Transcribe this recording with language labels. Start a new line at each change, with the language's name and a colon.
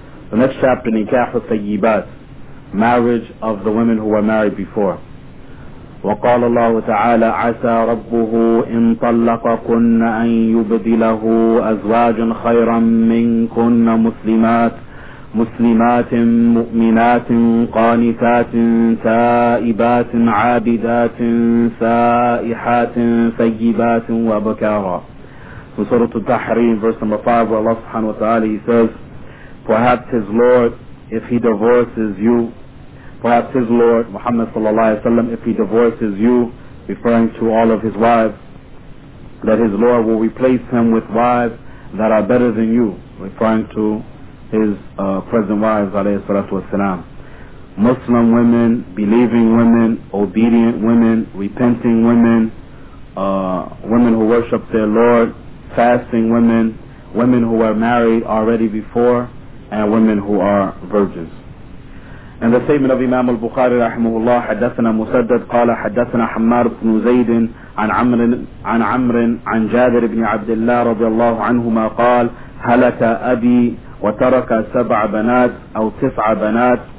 English: The next chapter, Nikah al-Tayyibat, marriage of the women who were married before.
Arabic: وقال الله تعالى عسى ربه إن طلقكن أن يبدله أزواج خيرا منكن مسلمات مؤمنات قانتات تائبات عابدات سائحات ثيبات وبكارا.
English: From Surah Al-Tahrim, verse number 5, where Allah subhanahu wa ta'ala, he says, perhaps his Lord, if he divorces you, perhaps his Lord, Muhammad sallallahu alayhi wa sallam, if he divorces you, referring to all of his wives, that his Lord will replace him with wives that are better than you, referring to his present wives, alayhi salatu wasalam. Muslim women, believing women, obedient women, repenting women, women who worship their Lord, fasting women, women who are married already before, and women who are virgins. And the statement of Imam al-Bukhari rahimahullah,
Arabic: حدثنا مسدد قال حدثنا حمار بن زيد عن عمر عن جابر بن عبد الله رضي الله عنهما قال هلك أبي وترك سبع بنات أو تسع بنات